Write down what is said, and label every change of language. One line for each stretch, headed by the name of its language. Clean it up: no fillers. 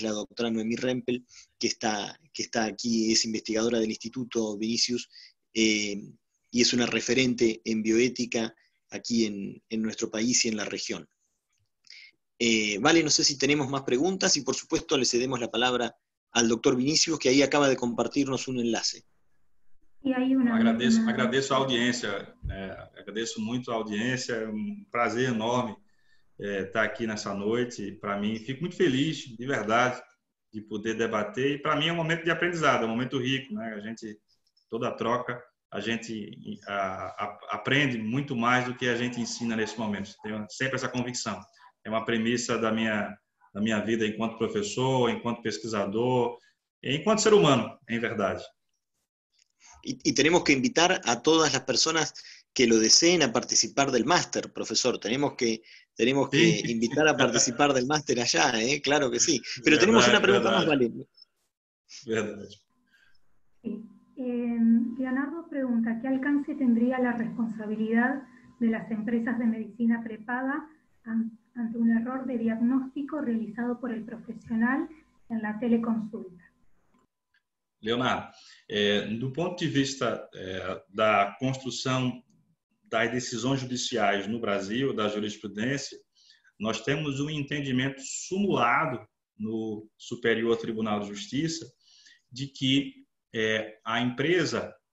Spanish: Que es la doctora Noemí Rempel, que está aquí, es investigadora del Instituto Vinicius, y es una referente en bioética aquí en nuestro país y en la región. Vale, no sé si tenemos más preguntas y por supuesto le cedemos la palabra al doctor Vinicius, que ahí acaba de compartirnos un enlace.
Portuguese: Agradeço a audiência, agradeço muito a audiência, é um prazer enorme estar aqui nessa noite. Para mim, fico muito feliz, de verdade, de poder debater. E para mim é um momento de aprendizado, é um momento rico, né? A gente, toda troca, a gente aprende muito mais do que a gente ensina nesse momento. Tenho sempre essa convicção. É uma premissa da minha vida enquanto professor, enquanto pesquisador, enquanto ser humano, em verdade.
Spanish: Y tenemos que invitar a todas las personas que lo deseen a participar del máster, profesor. Tenemos que invitar a participar del máster allá, ¿eh? Claro que sí. Pero tenemos una pregunta más, Valeria. Verdad. Sí. Leonardo pregunta, ¿qué alcance tendría la responsabilidad de las empresas de medicina prepaga ante un error de diagnóstico realizado por el profesional en la teleconsulta?
Portuguese: Leonardo, do ponto de vista da construção das decisões judiciais no Brasil, da jurisprudência, nós temos um entendimento sumulado no Superior Tribunal de Justiça de que a empresa,